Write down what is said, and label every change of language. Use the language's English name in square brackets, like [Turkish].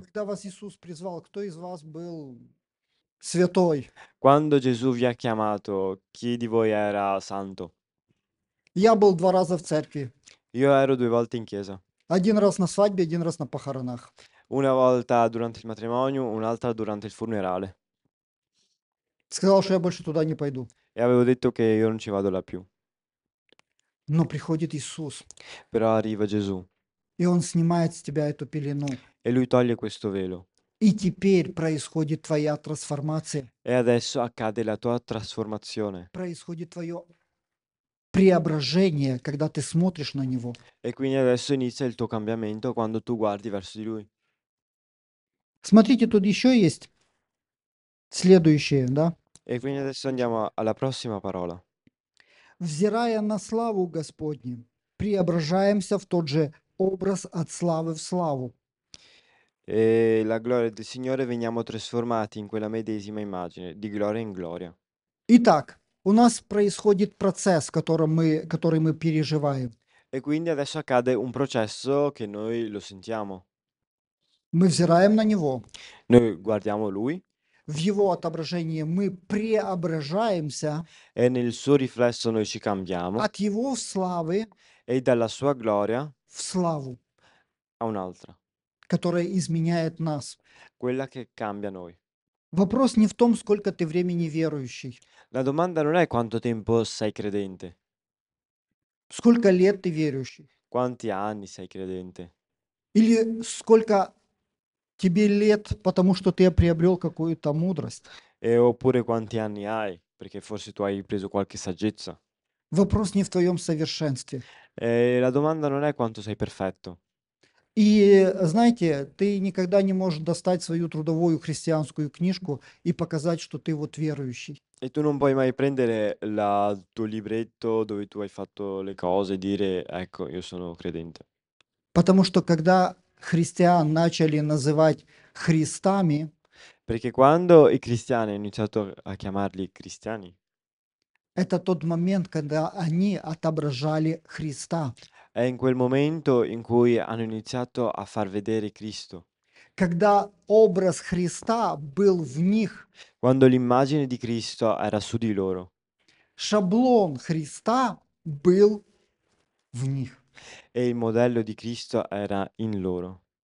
[Russian] Когда вас Иисус призвал, кто из вас был святой? [Italian] Quando Gesù vi ha chiamato, chi di voi era santo? [Russian] Я был два раза в церкви. [Italian] Io ero due volte in chiesa. [Russian] Один раз на свадьбе, один раз на похоронах. [Italian] Una volta durante il matrimonio, un'altra durante il funerale. [Russian] Сказал, что я больше туда не пойду. [Italian] E avevo detto che io non ci vado là più. [Russian] Но приходит Иисус. [Italian] Però arriva Gesù. [Russian] И Он снимает с тебя эту пелену. [Italian] E lui toglie questo velo. [Russian] И теперь происходит твоя трансформация. [Italian] E adesso accade la tua trasformazione. [Russian] Происходит твое преображение, когда ты смотришь на него. [Italian] E quindi adesso inizia il tuo cambiamento quando tu guardi verso di lui. [Russian] Смотрите, тут еще есть следующее, да? [Italian] E quindi adesso andiamo alla prossima parola. [Russian] взирая на славу Господню, преображаемся в тот же образ от славы в славу. [Italian] E la gloria del Signore veniamo trasformati in quella medesima immagine, di gloria in gloria. [Russian] Итак, у нас происходит процесс, который мы переживаем. [Italian] E quindi adesso accade un processo che noi lo sentiamo. [Russian] Мы взираем на Него. [Italian] Noi guardiamo Lui. [Russian] В Его отображении мы преображаемся. [Italian] E nel suo riflesso noi ci cambiamo. [Russian] От Его славы. [Italian] E dalla sua gloria. [Russian] В славу. [Italian] A un'altra. [Russian] Которая изменяет нас. [Italian] Quella che cambia noi. [Russian] Вопрос не в том, сколько ты времени верующий. [Italian] La domanda non è quanto tempo sei credente. [Russian] Сколько лет ты верующий? [Italian] Quanti anni sei credente? [Russian] Или сколько тебе лет, потому что ты приобрел какую-то мудрость? [Italian] E oppure quanti anni hai, perché forse tu hai preso qualche saggezza. [Russian] Вопрос не в твоем совершенстве. [Italian] E la domanda non è quanto sei perfetto. [Russian] И знаете, ты никогда не можешь достать свою трудовую христианскую книжку и показать, что ты вот верующий. [Italian] E tu non puoi mai prendere il tuo libretto dove tu hai fatto le cose e dire, ecco, io sono credente. [Russian] Потому что когда христиан начали называть христами, [Italian] perché quando i cristiani hanno iniziato a chiamarli cristiani, [Russian] это тот момент, когда они отображали Христа. [Italian] È in quel momento in cui hanno iniziato a far vedere Cristo. [Russian] Когда образ Христа был в них. [Italian] Quando l'immagine di Cristo era su di loro. [Russian] Шаблон Христа был в них. [Italian] E il modello di Cristo era in loro.